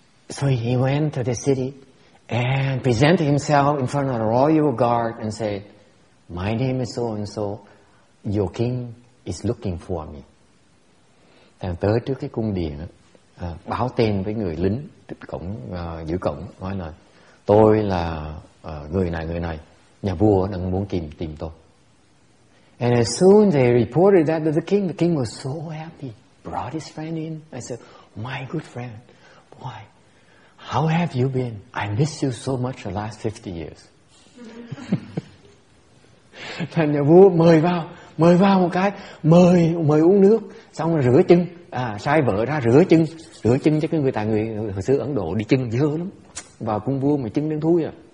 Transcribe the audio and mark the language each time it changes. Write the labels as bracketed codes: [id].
[en] So he went to the city and presented himself in front of the royal guard and said, my name is so-and-so. Your king is looking for me. [vi] Thằng tới trước cái cung điện, báo tên với người lính giữ cổng, nói là tôi là người này, nhà vua đang muốn tìm tôi. [en] And as soon they reported that to the king was so happy, brought his friend in. I said, my good friend, boy, how have you been? I miss you so much the last 50 years. [vi] Thành nhà vua mời vào một cái, mời uống nước, xong rồi rửa chân, sai vợ ra rửa chân cho cái người hồi xưa Ấn Độ đi chân dơ lắm. Vào cung vua mà chân đang thui à.